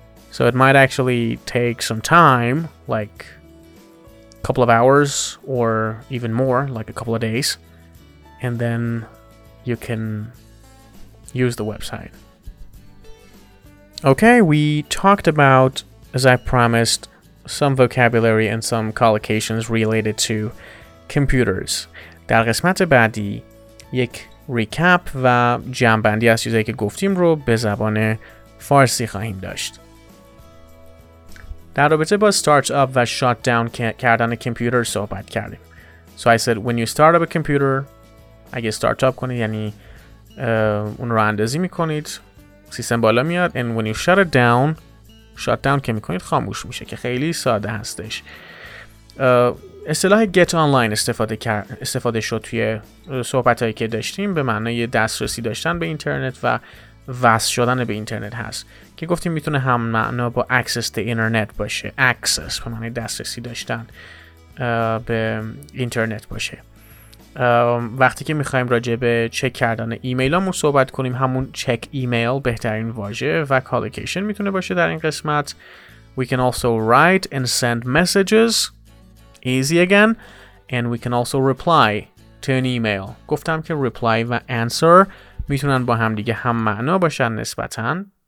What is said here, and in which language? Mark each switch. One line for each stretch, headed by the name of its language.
English: So it might actually take some time, like a couple of hours or even more, like a couple of days, and then you can use the website. Okay, we talked about, as I promised, some vocabulary and some collocations related to computers.
Persian: در قسمت بعدی یک ریکاپ و جمع‌بندی از چیزایی که گفتیم رو به زبان فارسی خواهیم داشت. در رابطه با start up و shut down کردن کمپیوتر صحبت کردیم.
English: So I said when you start up a computer,
Persian: اگه start up کنید یعنی اون رو اندازی میکنید سیستم بالا میاد,
English: and when you shut it down,
Persian: shut down که میکنید خاموش میشه, که خیلی ساده هستش. اصطلاح get online استفاده شد توی صحبتهایی که داشتیم به معنی دسترسی داشتن به اینترنت و وصل شدن به اینترنت هست, که گفتیم میتونه هم معنا با access the internet باشه, access به معنی دسترسی داشتن به اینترنت باشه. وقتی که میخواییم راجع به چک کردن ایمیل هامون صحبت کنیم, همون check email بهترین واژه و collocation میتونه باشه در این قسمت.
English: We can also write and send messages, easy again, and we can also reply to an email.
Persian: گفتم که reply و answer میتونن با هم دیگه هم معنا باشن نسبتاً.